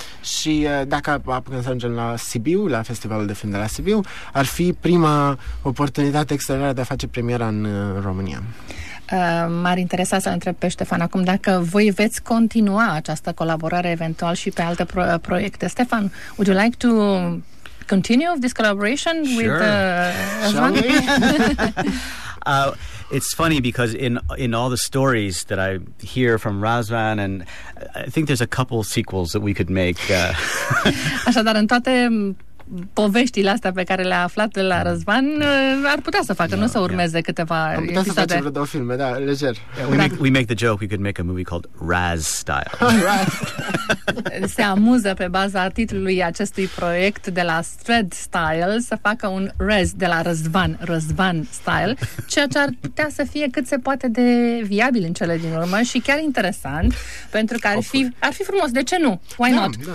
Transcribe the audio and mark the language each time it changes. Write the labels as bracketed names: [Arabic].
[Romanian] Și dacă apucăm să ajungem la Sibiu, la festivalul de film de la Sibiu, ar fi prima oportunitate extraordinară de a face premiera în România. M-ar interesa să-l întreb pe Ștefan acum dacă voi veți continua această colaborare eventual și pe alte proiecte. [English] Ștefan, would you like to continue this collaboration with Shall we? It's funny because in all the stories that I hear from Razvan, and I think there's a couple sequels that we could make. [Romanian] Așadar, în toate poveștile astea pe care le-a aflat de la Răzvan, ar putea să facă, să urmeze câteva episoade. Am putea să facem vreo două filme, da, lejer. [English] We make the joke, we could make a movie called Raz Style. [Romanian] Se amuză pe baza titlului acestui proiect de la Straight Style să facă un Raz de la Răzvan Style, ceea ce ar putea să fie cât se poate de viabil în cele din urmă și chiar interesant, pentru că ar fi frumos, de ce nu? [English] Why not?